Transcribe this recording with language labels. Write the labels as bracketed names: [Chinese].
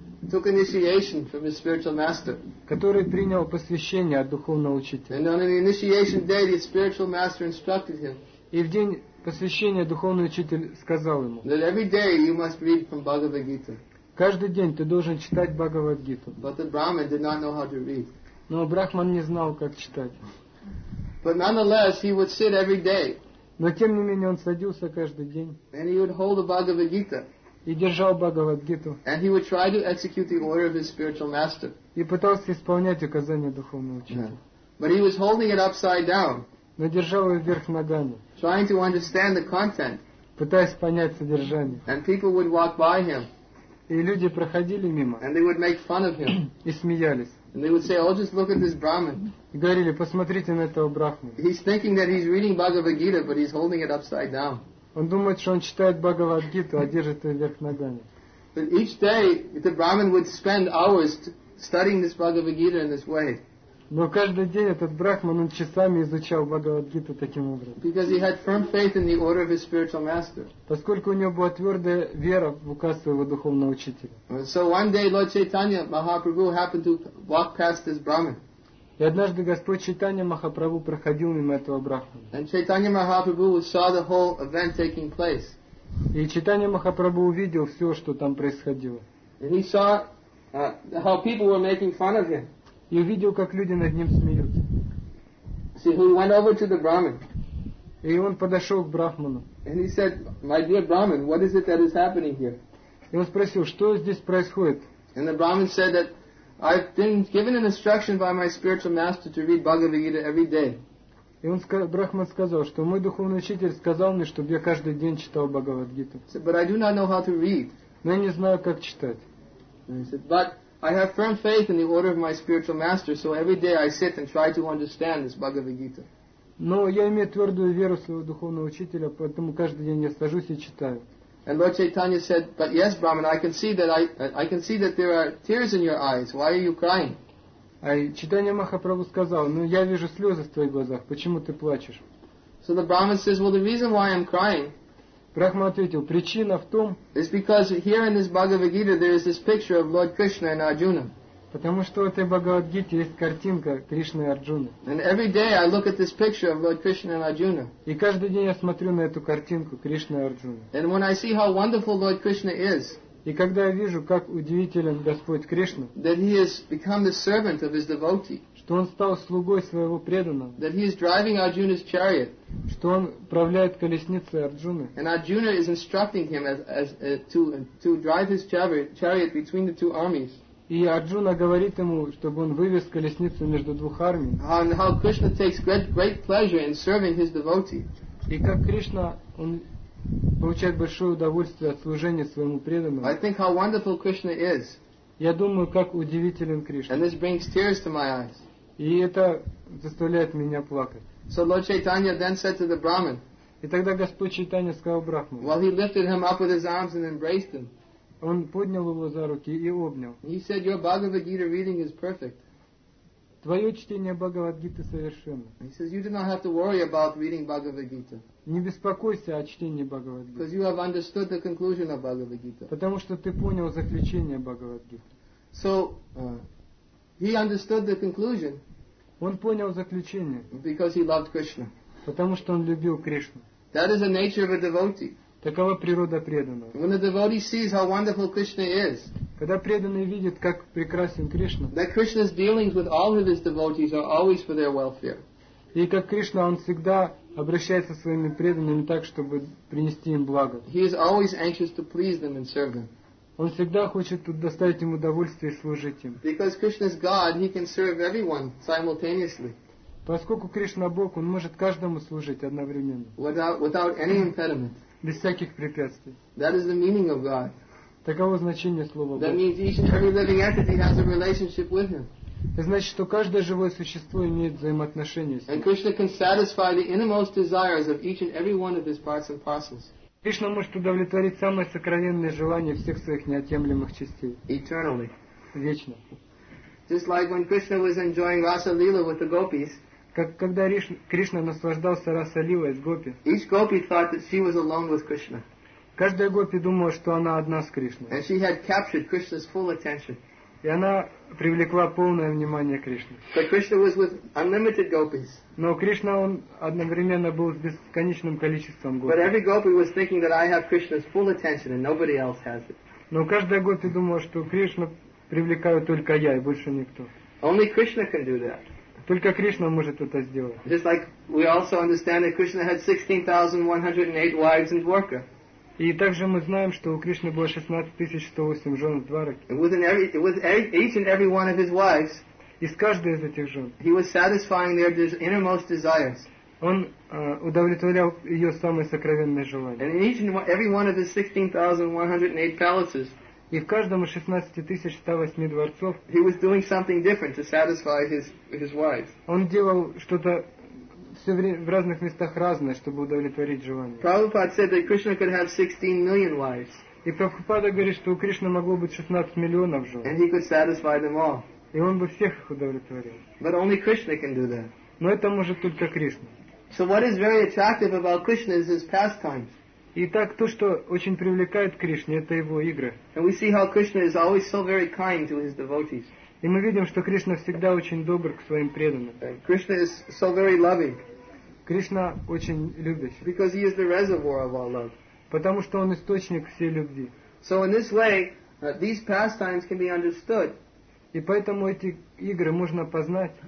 [English] Took initiation from his spiritual master. [Russian] Который принял посвящение от духовного учителя. [English] And on an initiation day, his spiritual master instructed him. [Russian] И в день посвящения духовный учитель сказал ему. [English] That every day you must read from Bhagavad Gita. [Russian] Каждый день ты должен читать Бхагавад Гиту. [English] But the Brahman did not know how to read. [Russian] Но Брахман не знал, как читать. [English] But nonetheless, he would sit every day. [Russian] Но тем не менее он садился каждый день. [English] And he would hold the Bhagavad Gita. [Russian] И держал Бхагавад Гиту. [English] And he would try to execute the order of his spiritual master. [Russian] И пытался исполнять указания духовного учителя. [English] Yeah. But he was holding it upside down. [Russian] Но держал его вверх ногами. [English] Trying to understand the content. [Russian] Пытаясь понять содержание. [English] And people would walk by him. [Russian] И люди проходили мимо. [English] And they would make fun of him. [Russian] И смеялись. [English] And they would say, "Oh, just look at this Brahman." [Russian] И говорили, посмотрите на этого Брахмана. [English] He's thinking that he's reading Bhagavad Gita, but he's holding it upside down. [Russian] Он думает, что он читает Бхагавад Гиту, а держит ее вверх ногами. [English] But each day the Brahman would spend hours studying this Bhagavad Gita in this way. [Russian] Но каждый день этот Брахман он часами изучал Бхагавад Гиту таким образом. [English] Because he had firm faith in the order of his spiritual master. [Russian] Поскольку у него была твердая вера в указ своего духовного учителя. [English] So one day Lord Chaitanya Mahaprabhu happened to walk past this Brahman. [Russian] И однажды Господь Чайтанья Махапрабху проходил мимо этого Брахмана. [English] And Chaitanya Mahaprabhu saw the whole event taking place. [Russian] И Чайтанья Махапрабху увидел все, что там происходило. [English] And he saw how people were making fun of him. [Russian] И увидел, как люди над ним смеются. [English] See, he went over to the Brahmin. [Russian] И он подошел к Брахману. [English] And he said, "My dear Brahmin, what is it that is happening here?" [Russian] И он спросил, что здесь происходит? [English] And the Brahmin said that I've been given an instruction by my spiritual master to read Bhagavad Gita every day. [Russian] И он Брахман сказал, что мой духовный учитель сказал мне, чтобы я каждый день читал Бхагавад Гиту. [English] Said, "But I do not know how to read." [Russian] Но я не знаю, как читать. [English] And he said, "But I have firm faith in the order of my spiritual master, so every day I sit and try to understand this Bhagavad Gita." [Russian] Но я имею твердую веру своего духовного учителя, поэтому каждый день я сажусь и читаю. [English] And Lord Chaitanya said, "But yes, Brahman, I can see that there are tears in your eyes. Why are you crying?" [Russian] А Чайтанья Махапрабху сказал, "Ну я вижу слезы в твоих глазах. Почему ты плачешь?" [English] So the Brahman says, "Well, the reason why I'm crying." [Russian] Брахма ответил, причина в том, [English] is because here in this Bhagavad Gita there is this picture of Lord Krishna and Arjuna. [Russian] Потому что в этой Бхагавад Гите есть картинка Кришны и Арджуны. [English] And every day I look at this picture of Lord Krishna and Arjuna. [Russian] И каждый день я смотрю на эту картинку Кришны и Арджуны. [English] And when I see how wonderful Lord Krishna is. [Russian] И когда я вижу, как удивителен Господь Кришна. [English] That he has become the servant of his devotee. [Russian] Что он стал слугой своего преданного. [English] That he is driving Arjuna's chariot. [Russian] Что он управляет колесницей Арджуны. [English] And Arjuna is instructing him to drive his chariot between the two armies. [Russian] И Арджуна говорит ему, чтобы он вывез колесницу между двух армий. [English] And how Krishna takes great pleasure in serving his devotee. [Russian] И как Кришна, он получает большое удовольствие от служения своему преданному. [English] I think how wonderful Krishna is. [Russian] Я думаю, как удивителен Кришна. [English] And this brings tears to my eyes. [Russian] И это заставляет меня плакать. [English] So Lord Chaitanya then said to the Brahmin. [Russian] И тогда Господь Чайтанья сказал Брахману. [English] While he lifted him up with his arms and embraced him. [Russian] Он поднял его за руки и обнял. [English] He said, "Your Bhagavad Gita reading is perfect." [Russian] Твое чтение Бхагавад Гиты совершенно. [English] He says, "You do not have to worry about reading Bhagavad Gita." [Russian] Не беспокойся о чтении Бхагавад Гиты. [English] Because you have understood the conclusion of Bhagavad Gita. [Russian] Потому что ты понял заключение Бхагавад Гиты. [English] So, he understood the conclusion. [Russian] Он понял заключение. [English] Because he loved Krishna. [Russian] Потому что он любил Кришну. [English] That is the nature of a devotee. [Russian] Такова природа преданного. [English] When the devotee sees how wonderful Krishna is, [Russian] когда преданный видит, как прекрасен Кришна, [English] that Krishna's dealings with all of his devotees are always for their welfare. [Russian] И как Кришна, он всегда обращается со своими преданными так, чтобы принести им благо. [English] He is always anxious to please them and serve them. [Russian] Он всегда хочет доставить им удовольствие и служить им. [English] Because Krishna is God, he can serve everyone simultaneously. [Russian] Поскольку Кришна Бог, он может каждому служить одновременно. [English] Without any impediment. [Russian] Без всяких препятствий. [English] That is the meaning of God. [Russian] Таково значение слова Бога. [English] That means each and every living entity has a relationship with Him. [Russian] Это значит, что каждое живое существо имеет взаимоотношения с Ним. [English] And Krishna can satisfy the innermost desires of each and every one of His parts and parcels. [Russian] Кришна может удовлетворить самые сокровенные желания всех своих неотъемлемых частей. [English] Eternally. [Russian] Вечно. [English] Just like when Krishna was enjoying Rasa Lila with the gopis. [Russian] Как когда Кришна наслаждался Расалилой с Гопи. [English] Each gopi thought that she was alone with Krishna. [Russian] Каждая гопи думала, что она одна с Кришной. [English] And she had captured Krishna's full attention. [Russian] И она привлекла полное внимание Кришны. [English] But Krishna was with unlimited gopis. [Russian] Но Кришна он одновременно был с бесконечным количеством гопи. [English] But every gopi was thinking that I have Krishna's full attention and nobody else has it. [Russian] Но каждая гопи думала, что Кришну привлекаю только я и больше никто. [English] Only Krishna can do that. [Russian] Только Кришна может это сделать. [English] Just like we also understand that Krishna had 16,108 wives in Dwarka. [Russian] И также мы знаем, что у Кришны было 16,108 жен в Двараке. [English] With each and every one of his wives. [Russian] И с каждой из этих жен. [English] He was satisfying their innermost desires. [Russian] Он удовлетворял ее самые сокровенные желания. [English] And in each and every one of his 16,108 palaces. [Russian] И в каждом из 16,108 дворцов [English] he was doing something different to satisfy his wife. [Russian] Он делал что-то все время в разных местах разное, чтобы удовлетворить желание. [English] Prabhupada said that Krishna could have 16 million wives. [Russian] И Прабхупада говорит, что у Кришны могло быть 16 миллионов жен. [English] And he could satisfy them all. [Russian] И он бы всех их удовлетворил. [English] But only Krishna can do that. [Russian] Но это может только Кришна. [English] So what is very attractive about Krishna is his pastimes. [Russian] Итак, то, что очень привлекает Кришне, это его игры. [English] And we see how Krishna is always so very kind to his devotees. [Russian] И мы видим, что Кришна всегда очень добр к своим преданным. [English] Krishna is so very loving. [Russian] Кришна очень любящий. [English] Because he is the reservoir of all love. [Russian] Потому что он источник всей любви. [English] So in this way, These pastimes can be understood. [Russian] И поэтому эти игры можно познать